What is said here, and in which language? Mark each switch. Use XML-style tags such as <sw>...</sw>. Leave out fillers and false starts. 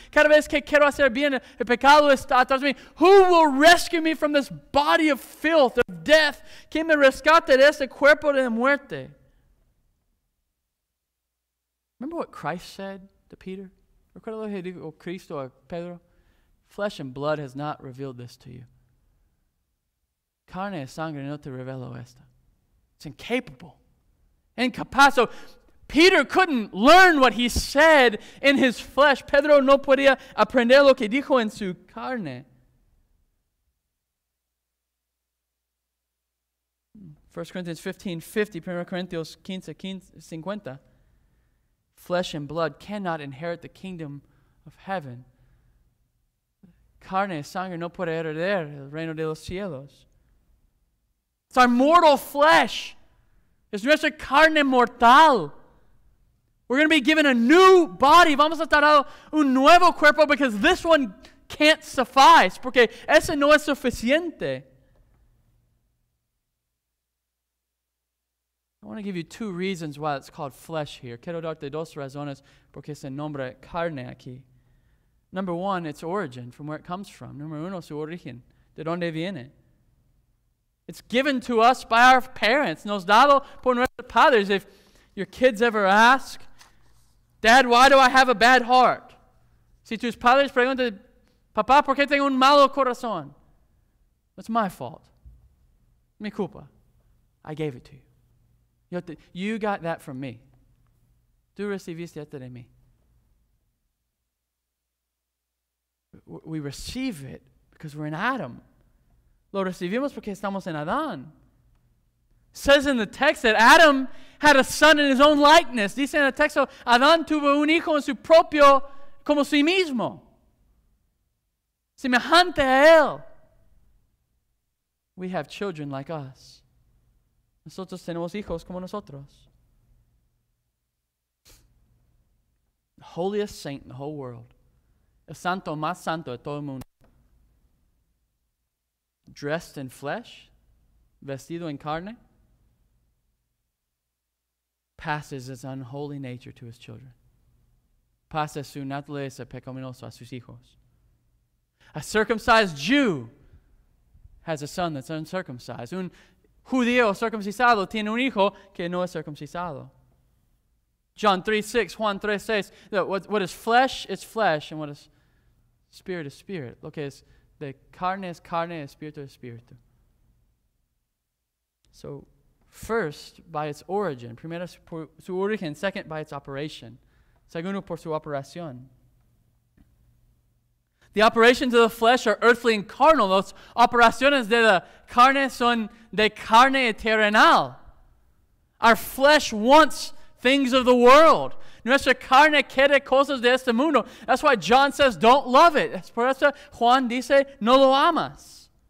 <es>Cada vez que quiero hacer bien, el pecado está atrás de mí.</es> <en>Who will rescue me from this body of filth, of death?</en> <es>¿Quién me rescate de este cuerpo de muerte?</es> <en>Remember what Christ said to Peter?</en> <es>Recuerda lo que dijo Cristo a Pedro?</es> <en>Flesh and blood has not revealed this to you.</en> <es>Carne y sangre no te reveló esto.</es> <en>It's incapable.</en> <es>Incapaz.</es> <en>So, Peter couldn't learn what he said in his flesh.</en> <es>Pedro no podía aprender lo que dijo en su carne.</es> <en>1 Corinthians 15:50. Flesh and blood cannot inherit the kingdom of heaven.</en> <es>Carne y sangre no puede heredar el reino de los cielos.</es> <en>It's our mortal flesh.</en> <es>Es nuestra carne mortal.</es> <en>We're going to be given a new body.</en> <es>Vamos a estar dado un nuevo cuerpo</es> <en>because this one can't suffice.</en> <es>Porque ese no es suficiente.</es> <en>I want to give you two reasons why it's called flesh here.</en> <es>Quiero darte dos razones porque se nombra carne aquí.</es> <en>Number one, its origin, from where it comes from.</en> <es>Number uno, su origen, de donde viene.</es> <en>It's given to us by our parents.</en> <es>Nos dado por nuestros padres.</es> <en>If your kids ever ask, Dad, why do I have a bad heart?</en> <es>Si tus padres preguntan, Papá, ¿por qué tengo un malo corazón?</es> <en>That's my fault.</en> <es>Mi culpa.</es> <en>I gave it to you. You got that from me.</en> <es>Tú recibiste esto de mí.</es> <en>We receive it because we're in Adam.</en> <es>Lo recibimos porque estamos en Adán.</es> <en>Says in the text that Adam had a son in his own likeness.</en> <es>Dice en el texto, Adán tuvo un hijo en su propio, como sí mismo. Semejante a él.</es> <en>We have children like us.</en> <es>Nosotros tenemos hijos como nosotros.</es> <en>The holiest saint in the whole world.</en> <es>El santo más santo de todo el mundo.</es> <en>Dressed in flesh,</en> <es>vestido en carne,</es> <en>passes his unholy nature to his children.</en> <es>Pasa su naturaleza pecaminosa a sus hijos.</es> <en>A circumcised Jew has a son that's uncircumcised. Un</en> <es>judío circuncisado tiene un hijo que no es circuncisado.</es> <en>John 3:6, Juan 3:6, what is flesh is flesh, and what is spirit is spirit.</en> <es>Lo que es de carne es carne, espíritu es espíritu.</es> <en>So, first, by its origin.</en> <es>Primero, por su origen.</es> <en>Second, by its operation.</en> <es>Segundo, por su operación.</es> <en>The operations of the flesh are earthly and carnal.</en> <es>Las operaciones de la carne son de carne y terrenal.</es> <en>Our flesh wants things of the world.</en> <es>Nuestra carne quiere cosas de este mundo.</es> <en>That's why John says, don't love it.</en> <es>Es por eso Juan dice, no lo amas.</es>